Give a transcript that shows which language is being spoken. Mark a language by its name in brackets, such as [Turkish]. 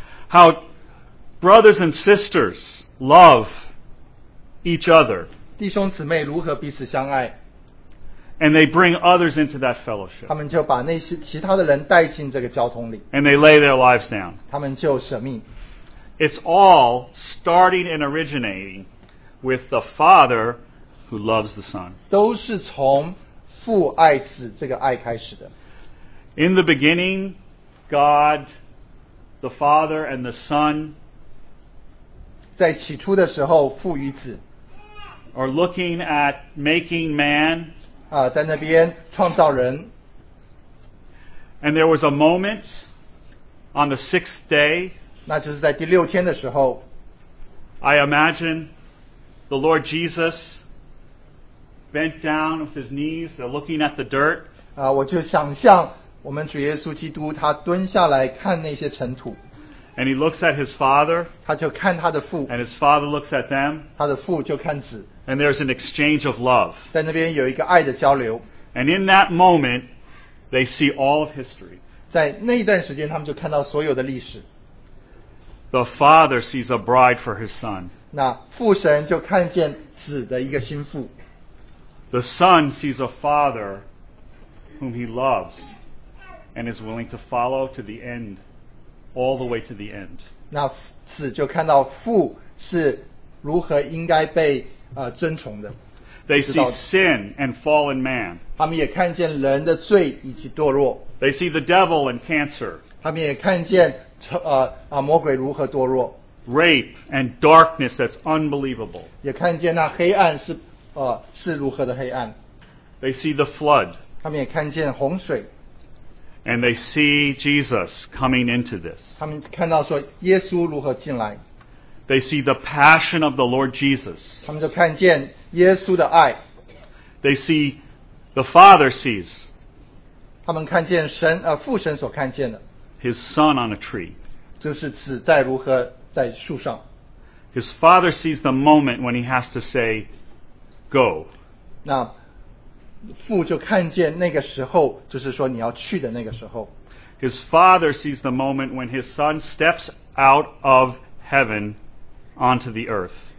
[English] How brothers and sisters love each other. [Chinese] 弟兄姊妹如何彼此相爱。 [English] And they bring others into that fellowship. [Chinese] 他们就把那些其他的人带进这个交通里。 [English] And they lay their lives down. [Chinese] 他们就舍命。 [English] It's all starting and originating with the Father who loves the Son. [Chinese] 都是从父爱子这个爱开始的。 [English] In the beginning, God, the Father and the Son [Chinese] 在起初的时候，父与子 [English] are looking at making man [Chinese] 在那边创造人。 [English] And there was a moment on the sixth day [Chinese] 那就是在第六天的时候。 [English] I imagine the Lord Jesus bent down with his knees, they're looking at the dirt [Chinese] 我就想象 我们主耶稣基督他蹲下来看那些尘土。 [English] And he looks at his father. [Chinese] 他就看他的父。 [English] And his father looks at them. [Chinese] 他的父就看子。 [English] And there's an exchange of love. [Chinese] 在那边有一个爱的交流。 [English] And in that moment, they see all of history. [Chinese] 在那一段时间他们就看到所有的历史。 [English] The father sees a bride for his son. [Chinese] 那父神就看见子的一个心腹。 [English] The son sees a father whom he loves. And is willing to follow to the end, all the way to the end. [Chinese] 那子就看到父是如何应该被尊崇的。 [English] They see sin and fallen man. [Chinese] 他们也看见人的罪以及堕落。 [English] They see the devil and cancer. [Chinese] 他们也看见魔鬼如何堕落。 [English] Rape and darkness that's unbelievable. [Chinese] 也看见那黑暗是如何的黑暗。 [English] They see the flood. [Chinese] 他们也看见洪水。 [English] And they see Jesus coming into this. [Chinese] 他们看到说耶稣如何进来。 [English] They see the passion of the Lord Jesus. [Chinese] 他们就看见耶稣的爱。 [English] They see the Father sees. [Chinese] 他们看见神，父神所看见的。 [English] His Son on a tree. [Chinese] 就是子在如何在树上。 [English] His Father sees the moment when he has to say, go. [Chinese] 那 父就看见那个时候，就是说你要去的那个时候。 [English] His father sees the moment when his son steps out of heaven onto the earth.